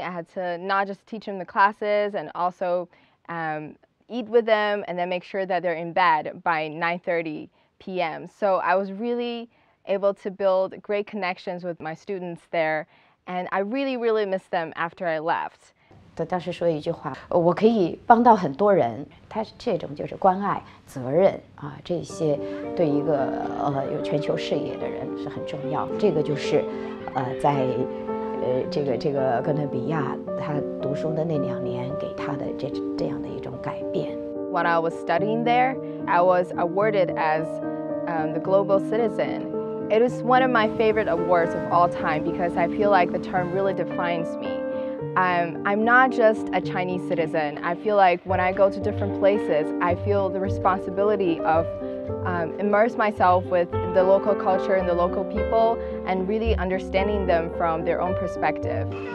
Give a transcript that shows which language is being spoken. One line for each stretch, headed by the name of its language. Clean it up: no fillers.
English: I had to not just teach them the classes and also eat with them and then make sure that they're in bed by 9:30 p.m. So I was really able to build great connections with my students there. And I really, really miss them after I left.
Chinese: 当时说一句话，我可以帮到很多人。他这种就是关爱、责任啊，这些对一个有全球视野的人是很重要。这个就是，在这个哥伦比亚他读书的那两年给他的这样的一种改变。
English: When I was studying there, I was awarded as the global citizen. It is one of my favorite awards of all time because I feel like the term really defines me. I'm not just a Chinese citizen. I feel like when I go to different places, I feel the responsibility of immerse myself with the local culture and the local people and really understanding them from their own perspective.